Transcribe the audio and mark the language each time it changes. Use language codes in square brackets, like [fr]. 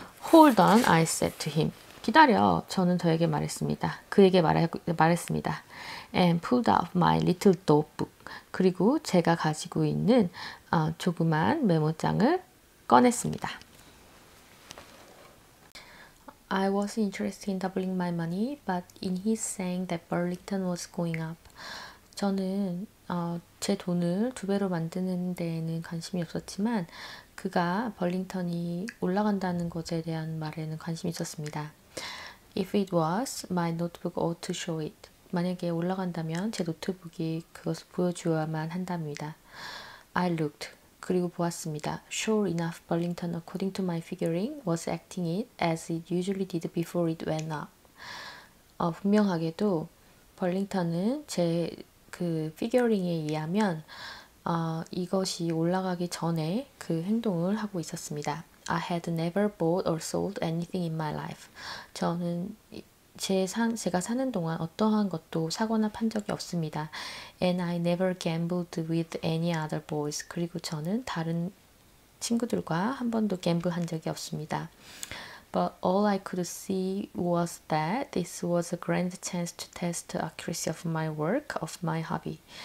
[en] Hold on, I said to him. [ko] 기다려, 저는 저에게 말했습니다. 그에게 말했습니다. [en] And pulled out my little notebook. [ko] 그리고 제가 가지고 있는 조그만 메모장을 꺼냈습니다. [en] I was interested in doubling my money, but in his saying that Burlington was going up. [ko] 저는 제 돈을 두 배로 만드는 데에는 관심이 없었지만, 그가 벌링턴이 올라간다는 것에 대한 말에는 관심이 있었습니다. [en] If it was, my notebook ought to show it. [ko] 만약에 올라간다면 제 노트북이 그것을 보여주어야만 한답니다. [en] I looked. [ko] 그리고 보았습니다. [en] Sure enough, Burlington, according to my figuring, was acting it as it usually did before it went up. [ko] 분명하게도 벌링턴은 제그 피규어링에 의하면 이것이 올라가기 전에 그 행동을 하고 있었습니다. [en] I had never bought or sold anything in my life. [ko] 저는 제가 사는 동안 어떠한 것도 사거나 판 적이 없습니다. [en] And I never gambled with any other boys. [ko] 그리고 저는 다른 친구들과 한 번도 갬블한 적이 없습니다. [en] But all I could see was that this was a grand chance to test the accuracy of my work, of my hobby.